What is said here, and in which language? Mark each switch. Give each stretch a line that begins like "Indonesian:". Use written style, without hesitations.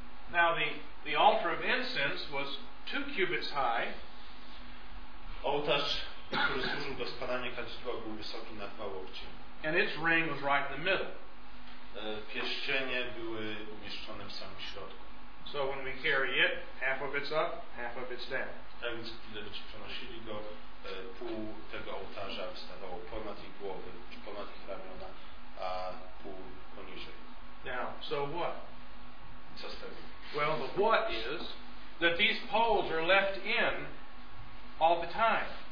English: Now the altar of incense was 2 cubits high.
Polish: Ołtarz, który służył do spalania kadzidła, był wysoki na 2 łokcie.
English: And its ring was right in the middle.
Polish: Pierścienie były umieszczone w samym środku.
English: So when we carry it, half of it's up, half of it's down.
Polish: Tak więc gdy przenosili go, pół tego ołtarza wystawało ponad ich głowy, czy ponad ich ramiona, a pół poniżej.
English: Now, so what?
Polish: Co z tego?
English: Well, the what is that these poles are left in all the time.